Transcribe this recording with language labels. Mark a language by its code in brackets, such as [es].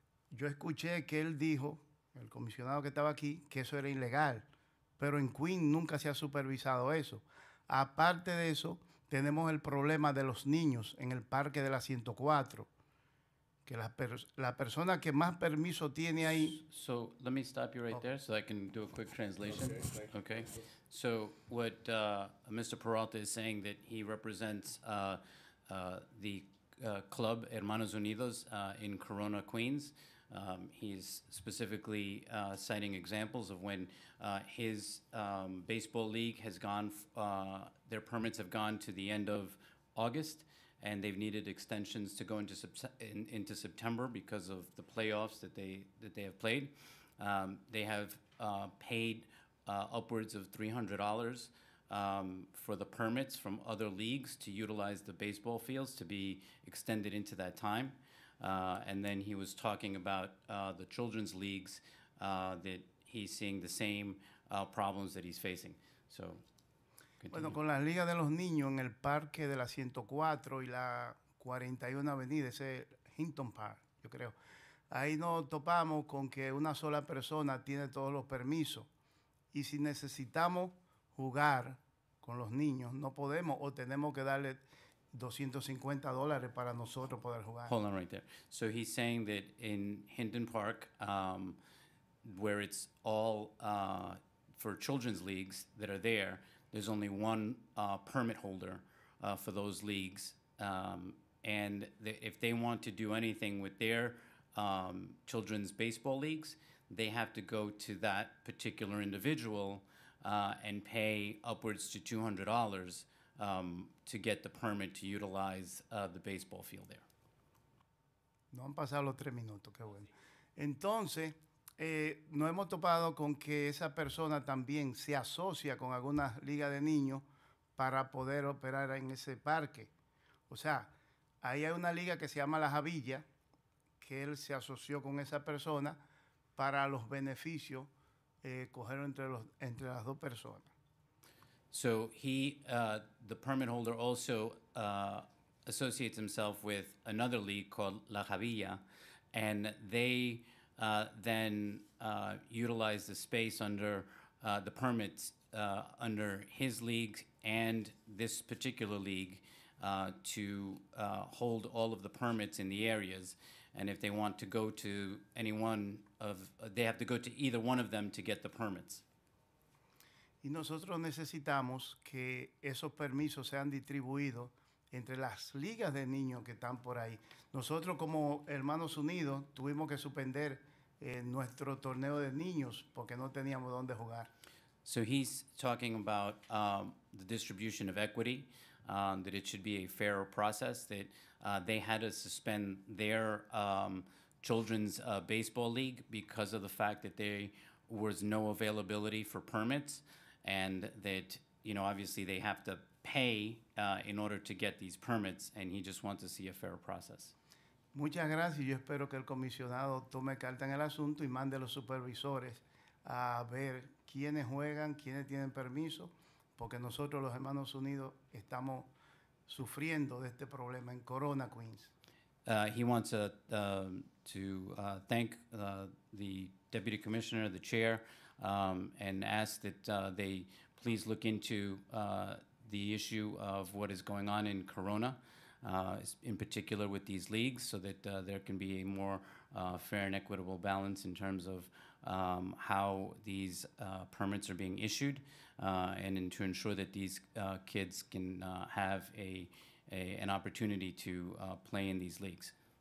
[es] Yo escuché que él dijo, el comisionado que estaba aquí, que eso era ilegal. Pero en Queens nunca se ha supervisado eso. Aparte de eso, tenemos el problema de los niños en el parque de la 104. Que la persona que más permiso tiene ahí. [en] So let me stop you right there so I can do a quick translation. Okay. So what Mr. Peralta is saying, that he represents the club, Hermanos Unidos, in Corona, Queens. He's specifically citing examples of when his baseball league has gone, their permits have gone to the end of August, and they've needed extensions to go into September because of the playoffs that they have played. They have paid upwards of $300 for the permits from other leagues to utilize the baseball fields to be extended into that time. And then he was talking about the children's leagues that he's seeing the same problems that he's facing. So, continue. [es] Bueno, con la Liga de los Niños en el parque de la 104 y la 41 Avenida, ese Hinton Park, yo creo. Ahí nos topamos con que una sola persona tiene todos los permisos. Y si necesitamos jugar con los niños, no podemos o tenemos que darle $250 para nosotros poder jugar. [en] Hold on right there. So he's saying that in Hinton Park, where it's all for children's leagues that are there, there's only one permit holder for those leagues. And if they want to do anything with their children's baseball leagues, they have to go to that particular individual and pay upwards to $200 to get the permit to utilize the baseball field there. [es] No han pasado los tres minutos, qué bueno. Entonces, nos hemos topado con que esa persona también se asocia con alguna liga de niños para poder operar en ese parque. O sea, ahí hay una liga que se llama La Javilla, que él se asoció con esa persona para los beneficios coger entre las dos personas. [en] So he, the permit holder also associates himself with another league called La Javilla, and they then utilize the space under the permits under his league and this particular league to hold all of the permits in the areas. And if they want to go to any one of, they have to go to either one of them to get the permits. [es] Y nosotros necesitamos que esos permisos sean distribuidos entre las ligas de niños que están por ahí. Nosotros como Hermanos Unidos tuvimos que suspender nuestro torneo de niños porque no teníamos dónde jugar. [en] So he's talking about the distribution of equity, that it should be a fairer process, that they had to suspend their children's baseball league because of the fact that there was no availability for permits. And that, you know, obviously they have to pay in order to get these permits, and he just wants to see a fair process. [es] Muchas gracias. Yo espero que el comisionado tome carta en el asunto y mande los supervisores a ver quiénes juegan, quiénes tienen permiso, porque nosotros los Hermanos Unidos estamos sufriendo de este problema en Corona, Queens. [en] He wants to thank the deputy commissioner, the chair, and ask that they please look into the issue of what is going on in Corona, in particular with these leagues, so that there can be a more fair and equitable balance in terms of how these permits are being issued, and to ensure that these kids can have an opportunity to play in these leagues.